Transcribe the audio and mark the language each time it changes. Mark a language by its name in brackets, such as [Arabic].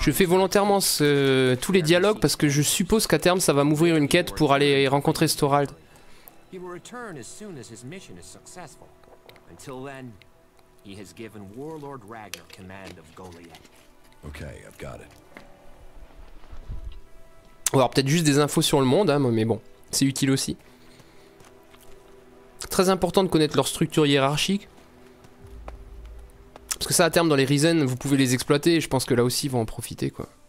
[French] Je fais volontairement tous les dialogues parce que je suppose qu'à terme ça va m'ouvrir une quête pour aller rencontrer Thorald. [English] He will return as soon as his mission is successful. Until then, he has given Warlord Ragnar command of Goliath. Okay, I've got it. [French] Alors peut-être juste des infos sur le monde, hein, mais bon, c'est utile aussi. Très important de connaître leur structure hiérarchique. Parce que ça, à terme, dans les Risen, vous pouvez les exploiter, et je pense que là aussi, ils vont en profiter, quoi.